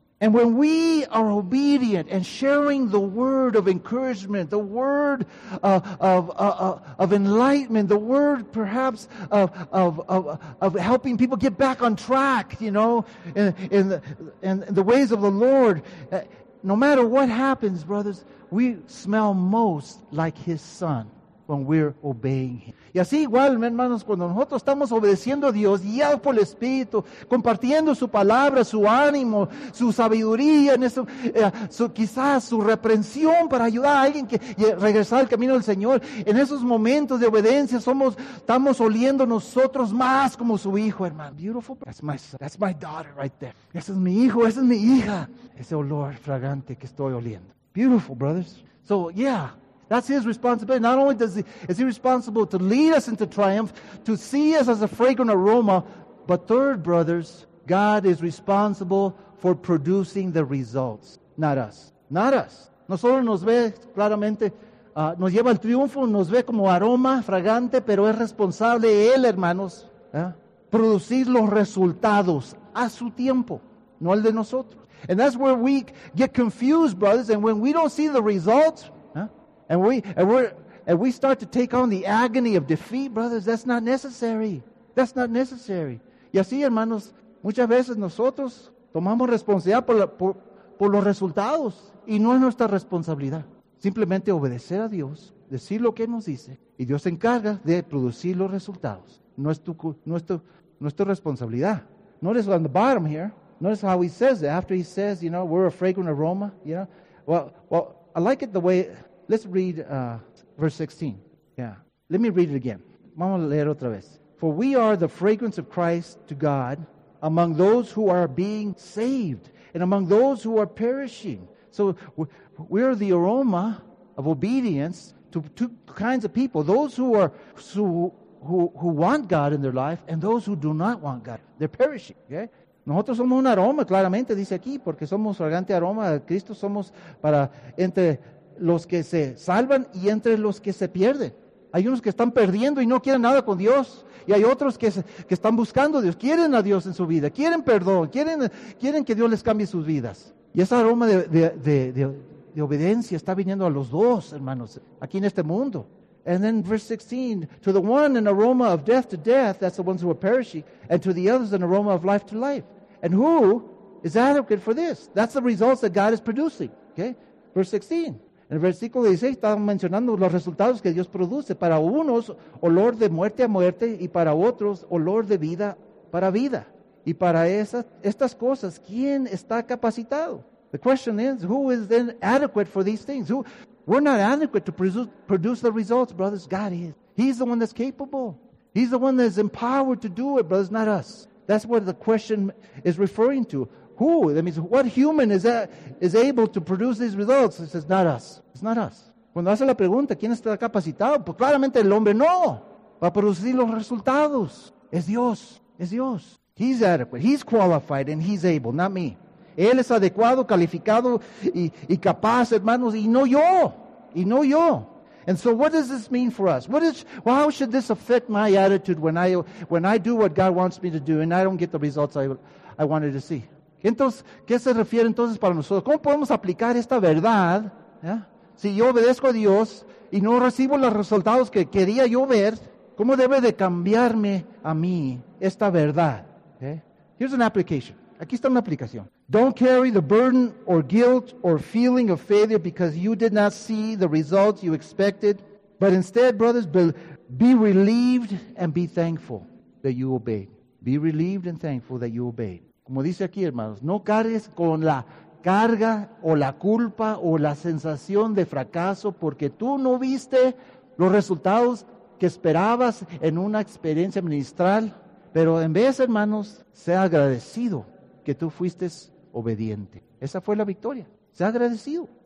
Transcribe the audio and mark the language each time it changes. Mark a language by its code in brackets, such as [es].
[en] And when we are obedient and sharing the word of encouragement, the word of enlightenment, the word perhaps of helping people get back on track, you know, in the ways of the Lord, no matter what happens, brothers, we smell most like his son when we're obeying him. [es] Y así igual, hermanos, cuando nosotros estamos obedeciendo a Dios, guiados por el Espíritu, compartiendo su palabra, su ánimo, su sabiduría, en eso, quizás su reprensión para ayudar a alguien que regresar al camino del Señor. En esos momentos de obediencia, estamos oliendo nosotros más como su hijo, hermano. [en] Beautiful. That's my daughter right there. [es] Ese es mi hijo, esa es mi hija. Ese olor fragante que estoy oliendo. [en] Beautiful, brothers. So, yeah. That's his responsibility. Not only is he responsible to lead us into triumph, to see us as a fragrant aroma, but third, brothers, God is responsible for producing the results, not us. Not us. [es] Nosotros nos ve claramente, nos lleva al triunfo, nos ve como aroma fragante, pero es responsable él, hermanos, producir los resultados a su tiempo, no al de nosotros. [en] And that's where we get confused, brothers, and when we don't see the results, And we start to take on the agony of defeat, brothers. That's not necessary. That's not necessary. [es] Y así, hermanos, muchas veces nosotros tomamos responsabilidad por los resultados. Y no es nuestra responsabilidad. Simplemente obedecer a Dios, decir lo que nos dice. Y Dios se encarga de producir los resultados. No es tu responsabilidad. [en] Notice on the bottom here. Notice how he says it. After he says, you know, we're a fragrant aroma. You know, well, I like it the way... Let's read verse 16. Yeah. Let me read it again. [es] Vamos a leer otra vez. [en] For we are the fragrance of Christ to God among those who are being saved and among those who are perishing. So we are the aroma of obedience to two kinds of people. Those who want God in their life and those who do not want God. They're perishing. Okay? [es] Nosotros somos un aroma, claramente dice aquí, porque somos fragante aroma de Cristo, somos para entre los que se salvan y entre los que se pierden. Hay unos que están perdiendo y no quieren nada con Dios, y hay otros que están buscando a Dios, quieren a Dios en su vida, quieren perdón, quieren que Dios les cambie sus vidas. Y ese aroma de obediencia está viniendo a los dos, hermanos, aquí en este mundo. [en] And then verse 16, to the one an aroma of death to death, that's the ones who are perishing, and to the others an aroma of life to life. And who is adequate for this? That's the results that God is producing. Okay? Verse 16. [es] En el versículo 16 está mencionando los resultados que Dios produce. Para unos, olor de muerte a muerte, y para otros, olor de vida para vida. Y para estas cosas, ¿quién está capacitado? [en] The question is, who is then adequate for these things? We're not adequate to produce the results, brothers. God is. He's the one that's capable. He's the one that's empowered to do it, brothers, not us. That's what the question is referring to. Who? That means, what human is able to produce these results? It says, not us. It's not us. [es] Cuando hace la pregunta, ¿quién está capacitado? Pues claramente el hombre no. Va a producir los resultados. Es Dios. Es Dios. [en] He's adequate. He's qualified and he's able, not me. [es] Él es adecuado, calificado y capaz, hermanos, y no yo. [en] And so what does this mean for us? How should this affect my attitude when I do what God wants me to do and I don't get the results I wanted to see? [es] Entonces, ¿qué se refiere entonces para nosotros? ¿Cómo podemos aplicar esta verdad? ¿Yeah? Si yo obedezco a Dios y no recibo los resultados que quería yo ver, ¿cómo debe de cambiarme a mí esta verdad? [en] Okay? Here's an application. [es] Aquí está una aplicación. [en] Don't carry the burden or guilt or feeling of failure because you did not see the results you expected, but instead, brothers, be relieved and be thankful that you obeyed. Be relieved and thankful that you obeyed. [es] Como dice aquí, hermanos, no cargues con la carga o la culpa o la sensación de fracaso porque tú no viste los resultados que esperabas en una experiencia ministral, pero en vez, hermanos, sea agradecido que tú fuiste obediente. Esa fue la victoria. Sea agradecido.